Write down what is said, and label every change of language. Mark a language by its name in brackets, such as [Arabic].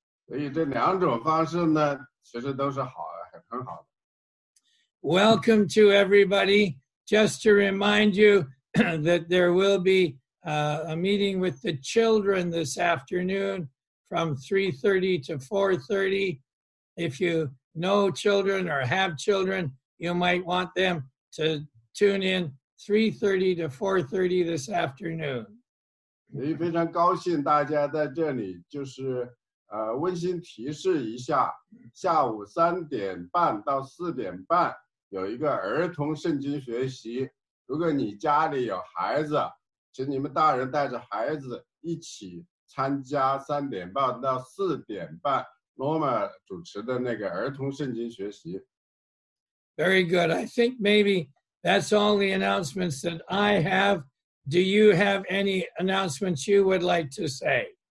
[Chinese] 所以这两种方式呢，其实都是好，很好的。 [English] Welcome to everybody. Just to remind you that there will be a meeting with the children this afternoon from 3:30 to 4:30. If you know children or have children, you might want them to tune in 3:30 to 4:30 this afternoon. [Chinese] 非常高兴大家在这里，就是温馨提示一下，下午3点半到4点半有一个儿童圣经学习。如果你家里有孩子，请你们大人带着孩子一起参加3点半到4点半罗马主持的那个儿童圣经学习。 [English] Very good. I think maybe that's all the announcements that I have. Do you have any announcements you would like to say?